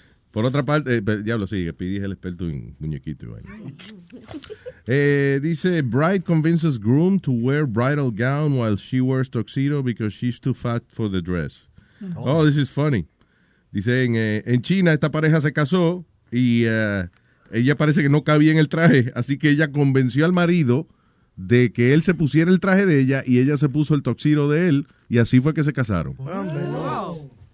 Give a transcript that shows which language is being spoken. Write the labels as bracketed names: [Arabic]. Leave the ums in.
[Spanish] Por otra parte, eh, pero, diablo, sí, pidí el experto en muñequito bueno. [English] eh, dice, Bride convinces groom to wear bridal gown while she wears tuxedo because she's too fat for the dress. Oh, oh this is funny. [Spanish] Dice, en, eh, en, China esta pareja se casó y uh, ella parece que no cabía en el traje, así que ella convenció al marido de que él se pusiera el traje de ella y ella se puso el tuxedo de él y así fue que se casaron. [English] Wow. Wow.